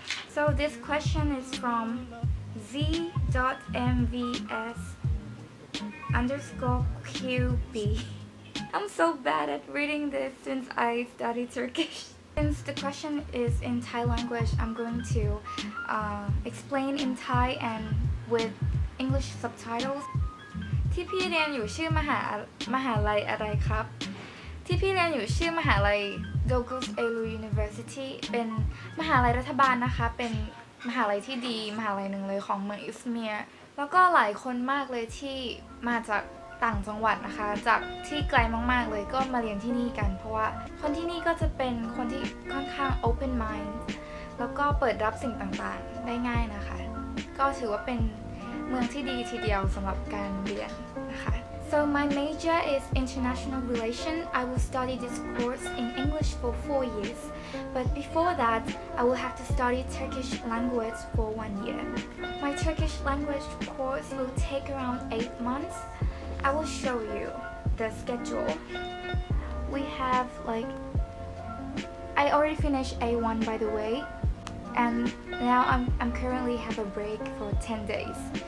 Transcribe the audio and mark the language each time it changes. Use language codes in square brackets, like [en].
[en] So this question is from z.mvs_qb. I'm so bad at reading this since I study Turkish. Since the question is in Thai language, I'm going to explain in Thai and with English subtitles. [th] ที่พี่เรียนอยู่ชื่อมหาลัยอะไรครับที่พี่เรียนอยู่ชื่อมหาลัย Douglas Elu University เป็นมหาลัยรัฐบาลนะคะเป็นมหาลัยที่ดีมหาลัยหนึ่งเลยของเมืองอิสเมียร์แล้วก็หลายคนมากเลยที่มาจากต่างจังหวัดนะคะจากที่ไกลมากๆเลยก็มาเรียนที่นี่กันเพราะว่าคนที่นี่ก็จะเป็นคนที่ค่อนข้าง open mind แล้วก็เปิดรับสิ่งต่างๆได้ง่ายนะคะก็ถือว่าเป็นเมืองที่ดีทีเดียวสำหรับการเรียนนะคะ [en] So my major is international relations. I will study this course in English for 4 years, but before that, I will have to study Turkish language for 1 year. My Turkish language course will take around 8 months. I will show you the schedule. We have like I already finished A1 by the way, and now I'm currently have a break for 10 days.